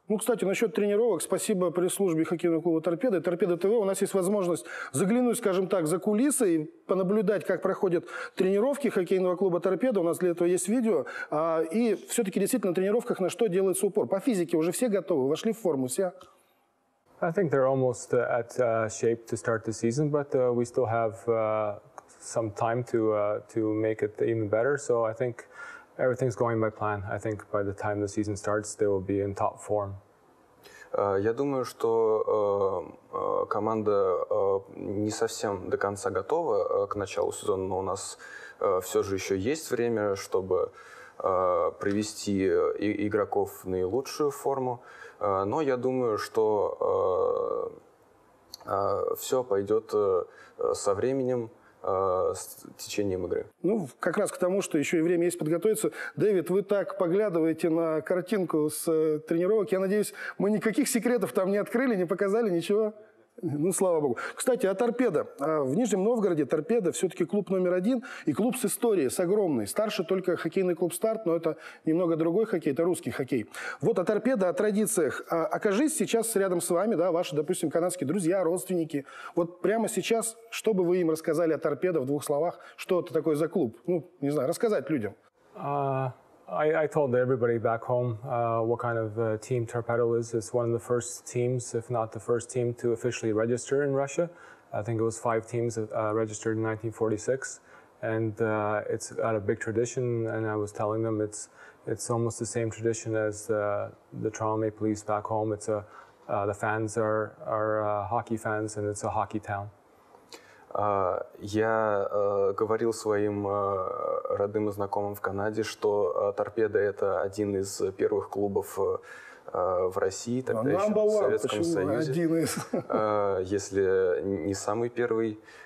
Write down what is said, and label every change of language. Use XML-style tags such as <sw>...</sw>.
<ru>Ну, кстати, насчет тренировок, спасибо пресс-службе хоккейного клуба «Торпеда» и «Торпеда ТВ». У нас есть возможность заглянуть, скажем так, за кулисы и понаблюдать, как проходят тренировки хоккейного клуба «Торпеда». У нас для этого есть видео. И все-таки действительно на тренировках на что делается упор? По физике уже все готовы, вошли в форму, все?</ru> <en>I think they're almost at shape to start the season, but we still have some time to make it even better. So I think everything's going by plan. I think by the time the season starts, they will be in top form.</en> <ru>Я думаю, что команда не совсем до конца готова к началу сезона, но у нас все же еще есть время, чтобы привести игроков в наилучшую форму. Но я думаю, что все пойдет со временем, с течением игры. Ну, как раз к тому, что еще и время есть подготовиться. Дэвид, вы так поглядываете на картинку с тренировок. Я надеюсь, мы никаких секретов там не открыли, не показали, ничего. Ну, слава богу. Кстати, о «Торпедо». В Нижнем Новгороде «Торпедо» все-таки клуб номер один и клуб с историей, с огромной. Старше только хоккейный клуб «Старт», но это немного другой хоккей, это русский хоккей. Вот о «Торпедо», о традициях. Окажись сейчас рядом с вами, да, ваши, допустим, канадские друзья, родственники. Вот прямо сейчас, что бы вы им рассказали о «Торпедо» в двух словах? Что это такое за клуб? Ну, не знаю, рассказать людям.</ru> <en>I told everybody back home what kind of team Torpedo is. It's one of the first teams, if not the first team, to officially register in Russia. I think it was five teams registered in 1946. And it's got a big tradition, and I was telling them it's almost the same tradition as the Toronto Maple Leafs back home. It's a, the fans are hockey fans, and it's a hockey town.</en> <ru>Я говорил своим родным и знакомым в Канаде, что «Торпедо» — это один из первых клубов в России, тогда еще в Советском Союзе. Один из? Если не самый первый.</ru>